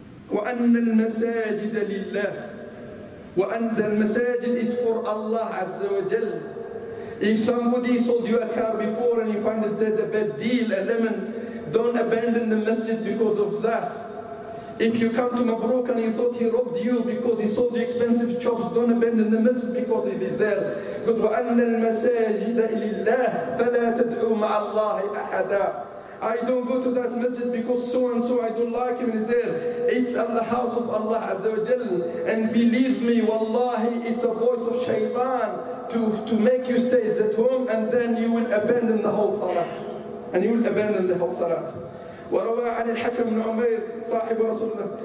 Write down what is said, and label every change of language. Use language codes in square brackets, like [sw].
[ar] وَأَنَّ الْمَسَاجِدَ لِلَّهِ وَأَنَّ الْمَسَاجِدَ [en] it's for [ar] Allah Azza wa Jal. [en] If somebody sold you a car before and you find it dead, a bad deal, a lemon, don't abandon the masjid because of that. If you come to Mabrook and you thought he robbed you because he sold you expensive chops, don't abandon the masjid because it is there. Because [ar] وَأَنَّ الْمَسَاجِدَ لِلَّهِ فَلَا تَدْعُوا مَعَ اللَّهِ أَحَدًا. [en] I don't go to that masjid because so and so, I don't like him, he's there. It's at the house of Allah Azza wa Jal. And believe me, wallahi, it's a voice of shaitan to make you stay at home, and then you will abandon the whole salat. And you will abandon the whole salat. [ar] وَرَوَىٰ عَنِ الْحَكَمْ نُعْمَيْرِ صَاحِبُ رَسُولَهُ.